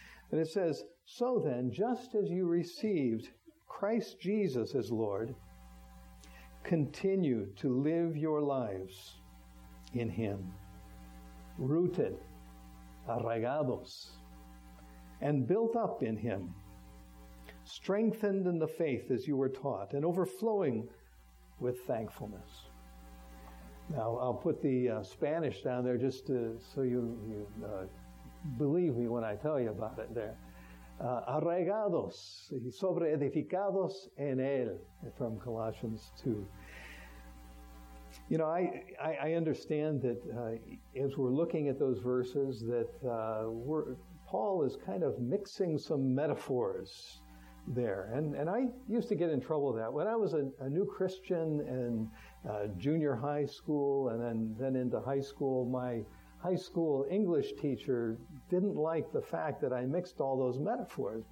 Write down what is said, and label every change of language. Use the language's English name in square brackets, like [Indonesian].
[English] And it says, so then, just as you received Christ Jesus as Lord, continue to live your lives in Him, rooted, arraigados, and built up in Him, strengthened in the faith as you were taught, and overflowing with thankfulness. Now, I'll put the Spanish down there just to, so you believe me when I tell you about it there. [Spanish] Arraigados y sobre edificados en él, [English] from Colossians 2. You know, I understand that as we're looking at those verses, that Paul is kind of mixing some metaphors there. And I used to get in trouble with that. When I was a new Christian in junior high school and then into high school, my high school English teacher didn't like the fact that I mixed all those metaphors.